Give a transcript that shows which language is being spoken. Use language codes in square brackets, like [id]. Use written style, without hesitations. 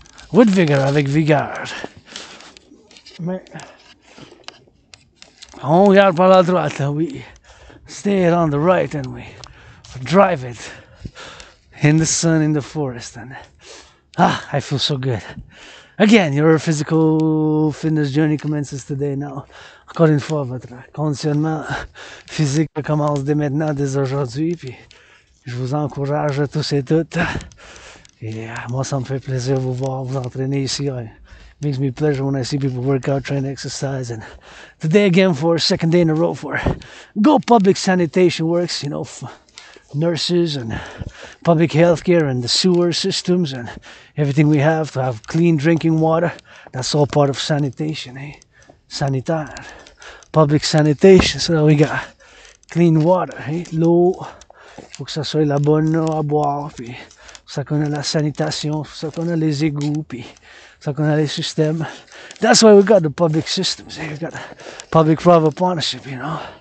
[en] With vigor, [fr] avec vigueur. Mais on regarde par la droite. [en] We stay it on the right and we drive it in the sun, in the forest. And I feel so good. Again, your physical fitness journey commences today now. [fr] Encore une fois, votre conditionnement physique commence dès maintenant, dès aujourd'hui. Puis je vous encourage tous et toutes. Yeah, moi ça me fait plaisir de vous voir, vous entraîner ici. [en] It makes me pleasure when I see people work out, train, exercise. And today again for a second day in a row for Go Public Sanitation Works, you know, nurses and public healthcare and the sewer systems and everything we have to have clean drinking water. That's all part of sanitation, eh? Sanitaire. Public sanitation, so we got clean water, eh? [fr] L'eau, faut que ça soit la bonne eau à boire, puis ça qu'on a la sanitation, ça qu'on a les égouts, puis ça qu'on a les systèmes. [en] That's why we got the public systems. We got a public-private partnership, you know.